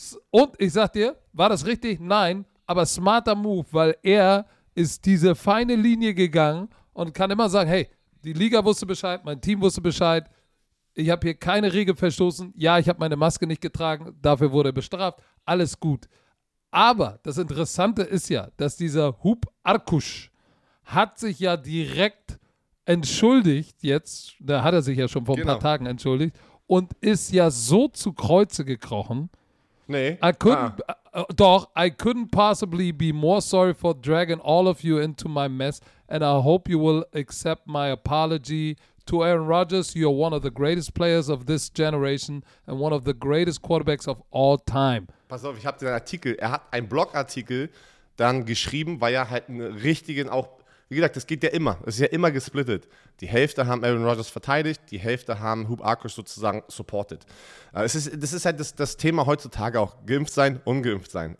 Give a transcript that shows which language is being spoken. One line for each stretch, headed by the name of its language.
German: Und ich sag dir, war das richtig? Nein, aber smarter Move, weil er ist diese feine Linie gegangen und kann immer sagen, hey, die Liga wusste Bescheid, mein Team wusste Bescheid, ich habe hier keine Regel verstoßen, ja, ich habe meine Maske nicht getragen, dafür wurde er bestraft, alles gut. Aber das Interessante ist ja, dass dieser Hoop Arkush hat sich ja direkt entschuldigt jetzt, da hat er sich ja schon vor ein paar Tagen entschuldigt, und ist ja so zu Kreuze gekrochen. Nee.
English: I couldn't possibly be more sorry for dragging all of you into my mess, and I hope you will accept my apology to Aaron Rodgers. You are one of the greatest players of this generation and one of the greatest quarterbacks of all time.
German: Pass auf, ich habe den Artikel, er hat einen Blogartikel dann geschrieben, weil er halt einen richtigen auch, wie gesagt, das geht ja immer, es ist ja immer gesplittet. Die Hälfte haben Aaron Rodgers verteidigt, die Hälfte haben Hoop Arkush sozusagen supported. Das ist halt das Thema heutzutage auch, geimpft sein, ungeimpft sein.